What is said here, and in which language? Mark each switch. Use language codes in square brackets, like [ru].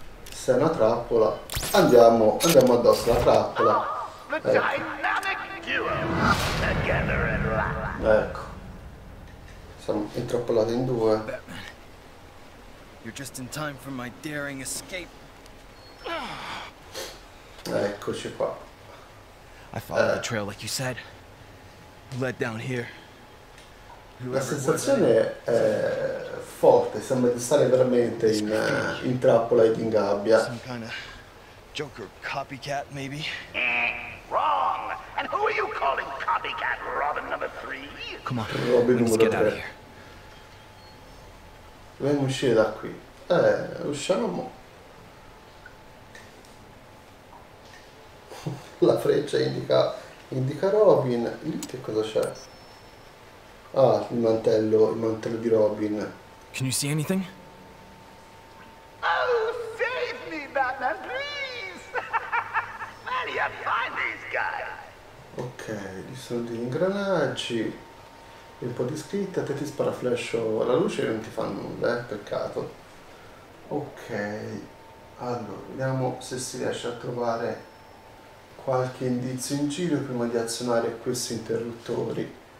[it] Se è una trappola, andiamo, andiamo addosso alla trappola. Ecco. Siamo intrappolati in due. [en] You're just in time for my daring escape. [it] Eccoci qua. [en] I followed the trail like you said. Led down here. [it] La sensazione è forte, sembra di stare veramente in trappola ed in gabbia. [en] Some kind of Joker copycat, maybe. Wrong. And who are you calling copycat, Robin number 3? Come on, Robin numero 3. [it] Dobbiamo uscire da qui. Usciamo. La freccia indica Robin. Lì che cosa c'è? Ah, il mantello di Robin. [en] Can you see anything? Oh, save me, Batman, please! Where do you find these guys? [it] Ok, ci sono degli ingranaggi. Un po' di scritta, a te ti spara flash o la luce non ti fa nulla, peccato. Ok, allora, vediamo se si riesce a trovare qualche indizio in giro prima di azionare questi interruttori.